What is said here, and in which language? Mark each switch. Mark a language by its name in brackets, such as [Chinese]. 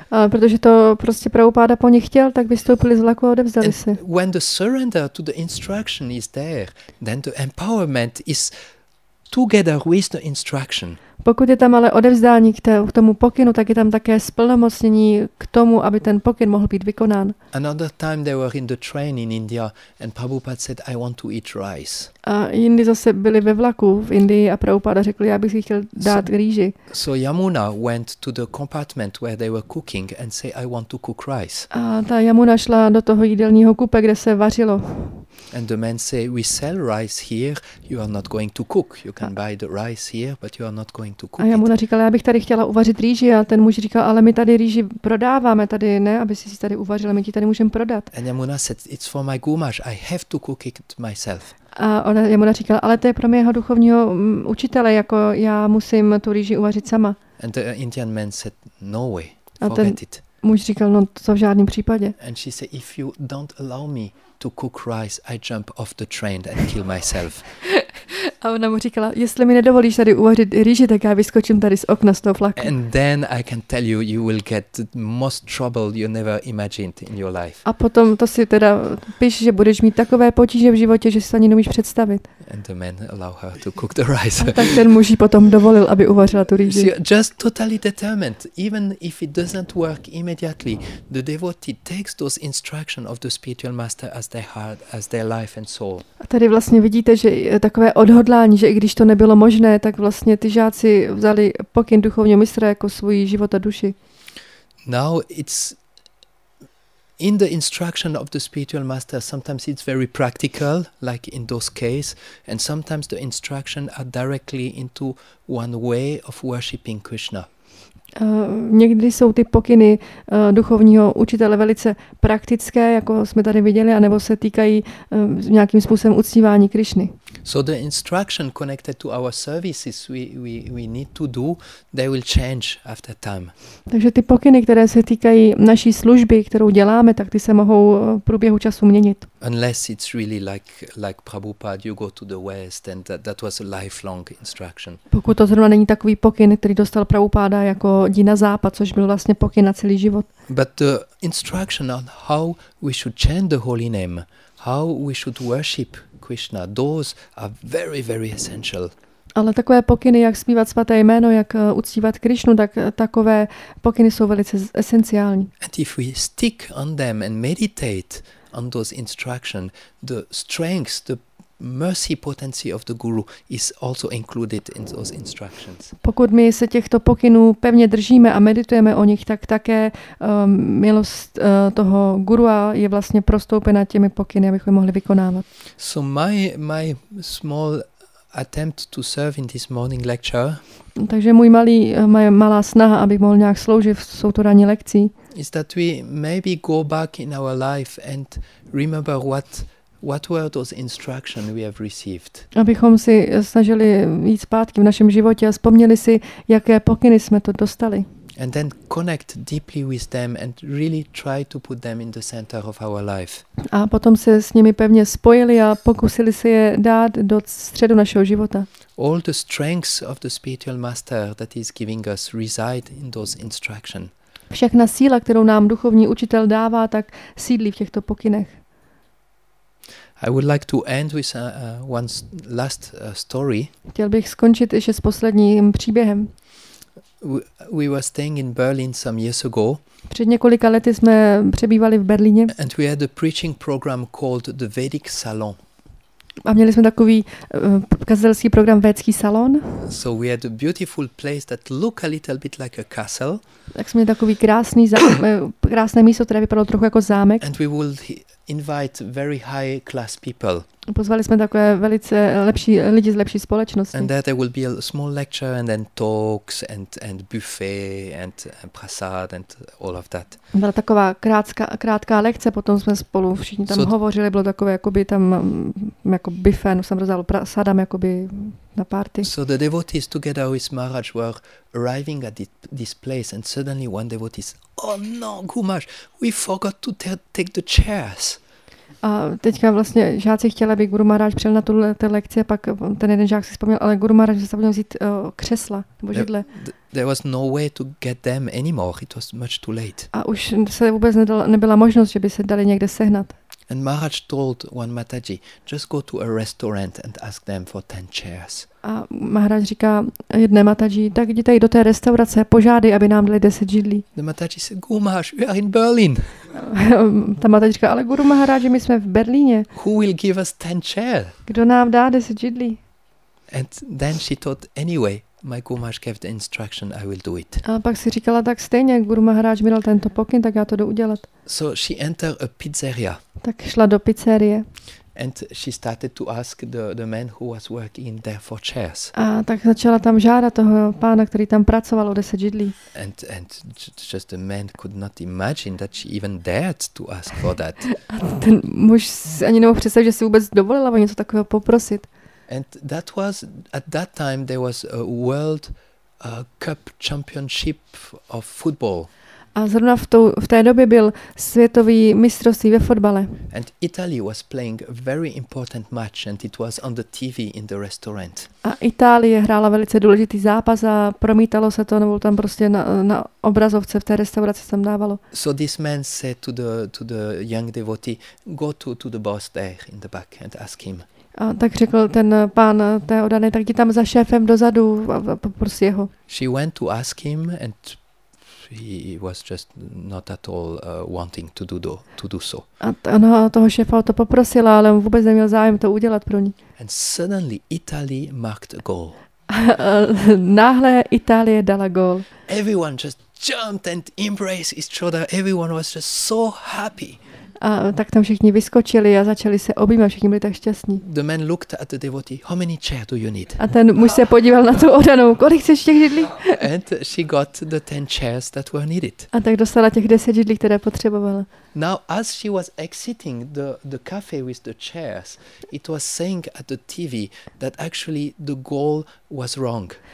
[Czech] A protože to prostě Prabhupada po nich chtěl, tak vystoupili z vlaku a odevzdali se. [English] When the surrender to the instruction is there, then the empowerment is together with the instruction. [Czech] Pokud je tam ale odevzdání k tomu pokynu, tak je tam také splnomocnění k tomu, aby ten pokyn mohl být vykonán. [English] Another time they were in the train in India and Prabhupada said, I want to eat rice. [Czech] A jindy zase byli ve vlaku v Indii a Prabhupada řekl, já bych si chtěl dát rýži. [English] So Yamuna went to the compartment where they were cooking and said, I want to cook rice. [Czech] A ta Yamuna šla do toho jídelního kupe, kde se vařilo. [English] And the man say, we sell rice here, you are not going to cook. You can buy the rice here, but you are not going to cook. [Czech] A já mu naříkala, já bych tady chtěla uvařit rýži, a ten muž říkal, ale my tady rýži prodáváme tady, ne, aby si si tady uvařila, my ti tady můžeme prodat. [English] And Yamuna said, it's for my gumaš, I have to cook it myself. [Czech] A ona jemu naříkala, ale to je pro mého duchovního učitele, jako já musím tu rýži uvařit sama. [English] And the Indian man said, no way, forget it. [Czech] Muž říkal, no to v žádném případě. [English] And she said, if you don't allow me to cook rice, I jump off the train and kill myself. [Czech] A ona mu říkala, jestli mi nedovolíš tady uvařit rýži, tak já vyskočím tady z okna z toho vlaku. [English] And then I can tell you, you will get most trouble you never imagined in your life. [Czech] A potom to si teda píš, že budeš mít takové potíže v životě, že si to ani nemůžeš představit. [English] And the man allowed her to cook the rice. [Czech] A tak ten muž jí potom dovolil, aby uvařila tu rýži. [English] So just totally determined, even if it doesn't work immediately, the devotee takes those instructions of the spiritual master as their heart, as their life and soul. [Czech] A tady vlastně vidíte, že takové odhodlání, že i když to nebylo možné, tak vlastně ty žáci vzali pokyn duchovního mistra jako svůj život a duši. [English] Now it's in the instruction of the spiritual master, sometimes it's very practical, like in those case, and sometimes the instruction are directly into one way of worshipping Krishna. [Czech] Někdy jsou ty pokyny duchovního učitele velice praktické, jako jsme tady viděli, anebo se týkají nějakým způsobem uctívání Krišny. [English] So the instruction connected to our services we need to do, they will change after time. [Czech] Takže ty pokyny, které se týkají naší služby, kterou děláme, tak ty se mohou v průběhu času měnit. [English] Unless it's really like Prabhupada, you go to the West, and that was a lifelong instruction. [Czech] Pokud to zrovna není takový pokyn, který dostal Prabhupada jako jdi na západ, což byl vlastně pokyn na celý život. [English] But the instruction on how we should chant the holy name, how we should worship Krishna, those are very, very essential. [Czech] Ale takové pokyny, jak zpívat svaté jméno, jak uctívat Krišnu, tak takové pokyny jsou velice esenciální. [English] And if we stick on them and meditate on those instructions, the strength, the mercy potency of the guru is also included in those instructions. [Czech] Pokud my se těchto pokynů pevně držíme a meditujeme o nich, tak také milost toho gurua je vlastně prostoupena těmi pokyny, abychom mohli vykonávat. [English] So my small attempt to serve in this morning lecture. [Czech] Takže moje malá snaha, abych mohl nějak sloužit, jsou to ranní lekcí. [English] Is that we maybe go back in our life and remember what were those instructions we have received. [Czech] Abychom si snažili jít zpátky v našem životě a vzpomněli si, jaké pokyny jsme to dostali. [English] And then connect deeply with them and really try to put them in the center of our life. [Czech] A potom se s nimi pevně spojili a pokusili se je dát do středu našeho života. [English] All the strengths of the spiritual master that he's giving us reside in those instructions. [Czech] Všechna síla, kterou nám duchovní učitel dává, tak sídlí v těchto pokynech. [English] I would like to end with one last story. [Czech] Chtěl bych skončit ještě s posledním příběhem. [English] We were staying in Berlin some years ago. [Czech] Před několika lety jsme přebývali v Berlíně. [English] And we had a preaching program called the Vedic Salon. [Czech] A měli jsme takový kazatelský program Védský salon. [English] So we had a beautiful place that looked a little bit like a castle. [Czech] Tak jsme měli takový krásné místo, které vypadalo trochu jako zámek. [English] And we would invite very high class people. [Czech] Pozvali jsme takové velice lepší lidi z lepší společnosti. [English] And there will be a small lecture and then talks and buffet and prasad and all of that. [Czech] Byla taková krátká lekce, potom jsme spolu všichni tam hovořili, bylo takové jakoby tam jako buffet, no jsem rozdával prasadam jakoby na party. [English] So the devotees together with Maharaj were arriving at this place and suddenly one devotee said, oh no, Gumaš, we forgot to take the chairs. [Czech] A teďka vlastně žáci chtěli, aby Guru Maharaj přijel na tuhle lekci, pak ten jeden žák si vzpomněl, ale Guru Maharaj se měl vzít křesla nebo židle. [English] There was no way to get them anymore. It was much too late. [Czech] A už se vůbec nebyla možnost, že by se dali někde sehnat. [English] And Maharaj told one Mataji, just go to a restaurant and ask them for 10 chairs. [Czech] A Maharaj říká jedné Mataji, tak jděte do té restaurace, požádej, aby nám dali 10 židlí. [English] The Mataji said, Gumaš, we are in Berlin. [Czech] Ta Mataji říká, ale Guru Maharaj, my jsme v Berlíně. [English] Who will give us 10 chairs? [Czech] Kdo nám dá 10 židlí? [English] And then she thought, anyway, my Gumaš gave the instruction, I will do it. [Czech] A pak si říkala, tak stejně, Guru Maharaj mi dal tento pokyn, tak já to jdu udělat. [English] So she entered a pizzeria. [Czech] Tak šla do pizzerie. [English] And she started to ask the man who was working there for chairs. [Czech] A tak začala tam žádat toho pána, který tam pracoval o 10 židlí. [English] And just the man could not imagine that she even dared to ask for that. [Czech] A ten muž si ani nemohl představit, že si vůbec dovolila o něco takového poprosit. [English] And that was at that time there was a world cup championship of football. [Czech] A zrovna v té době byl světový mistrovství ve fotbale. [English] And Italy was playing a very important match and it was on the TV in the restaurant. [Czech] A Itálie hrála velice důležitý zápas a promítalo se to, nebo tam prostě na obrazovce v té restauraci se tam dávalo. [English] So this man said to the young devotee, go to the boss there in the back and ask him. [Czech] A tak řekl ten pán té oddané, tak jdi tam za šéfem dozadu a poprosi jeho. [English] She went to ask him and he was just not at all wanting to do so. [Czech] A ona toho šéfa o to poprosila, ale on vůbec neměl zájem to udělat pro ní. [English] And suddenly Italy marked a goal. [Czech] Náhle Itálie dala gól. [English] Everyone just jumped and embraced each other. Everyone was just so happy. [Czech] A tak tam všichni vyskočili a začali se objímat, všichni byli tak šťastní. [English] The man looked at the devotee, how many chairs do you need? [Czech] A ten muž se podíval na tu oddanou, kolik chceš těch židlí? [English] And she got the 10 chairs that were needed. [Czech] A tak dostala těch 10 židlí, které potřebovala. [English] Now as she was exiting the cafe with the chairs, it was saying at the TV that actually the goal was wrong.